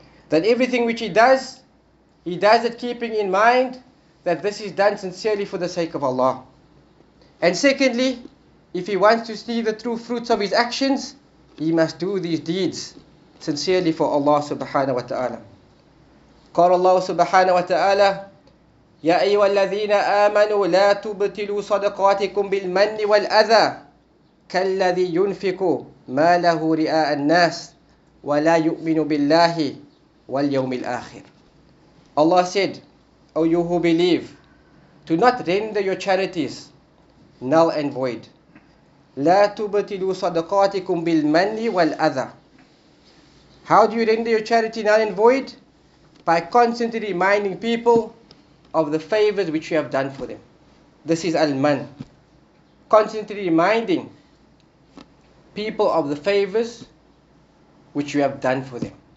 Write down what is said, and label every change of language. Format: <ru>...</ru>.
<en>That everything which he does it keeping in mind that this is done sincerely for the sake of Allah. And secondly, if he wants to see the true fruits of his actions, he must do these deeds sincerely for Allah subhanahu wa ta'ala.</en> <ar>قال الله سبحانه وتعالى يا أيها الذين آمنوا لا تبطلوا صدقاتكم بالمن والأذى كالذي ينفق ما له رئاء الناس ولا يؤمن بالله واليوم الآخر.</ar> <en>Allah said, O you who believe, do not render your charities null and void.</en> <ar>لا تبطلوا صدقاتكم بالمن والأذى.</ar> <en>How do you render your charity null and void? By constantly reminding people of the favors which you have done for them. This is al-man. Constantly reminding people of the favors which you have done for them.</en>